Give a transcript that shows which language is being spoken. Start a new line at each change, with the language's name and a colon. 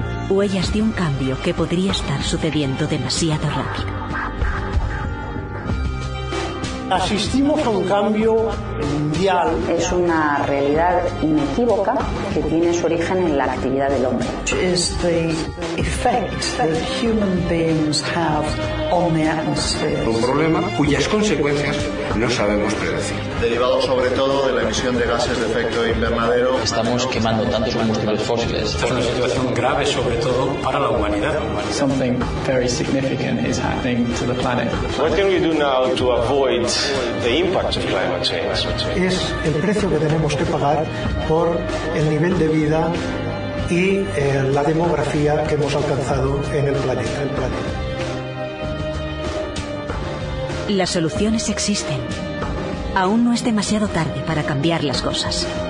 Spanish: Huellas de un cambio que podría estar sucediendo demasiado rápido. Asistimos a un cambio mundial. Es una realidad inequívoca que tiene su origen en la actividad del hombre.
English: Is the effect that human beings have on the atmosphere.
Spanish: Un problema cuyas consecuencias no sabemos predecir. Derivado sobre todo de la emisión de gases de efecto invernadero. Estamos quemando tantos combustibles fósiles. Es una situación grave sobre todo para la humanidad.
English: Something very significant is happening to the planet. What can we do now to avoid the impact of climate change?
Spanish: Es el precio que tenemos que pagar por el nivel de vida y la demografía que hemos alcanzado en el planeta. Las soluciones existen. Aún no es demasiado tarde para cambiar las cosas.